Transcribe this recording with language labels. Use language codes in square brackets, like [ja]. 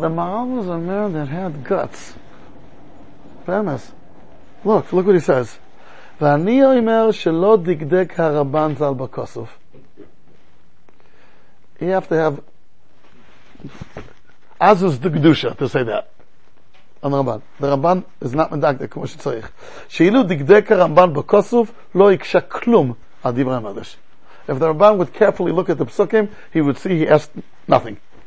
[en] The Maharal was a man that had guts. Famous. Look what he says. [he] V'ani oimer shelo digdek ha-Ramban zal b'kosov. [en] You have to have azuz digdusha to say that. On Ramban. The Ramban is not medagdek, [he] כמו שצריך. שאילו digdek ha-Ramban b'kosov לא יקשה כלום על דברי המדרש. [en] If the Ramban would carefully look at the psukim, he would see he asked nothing.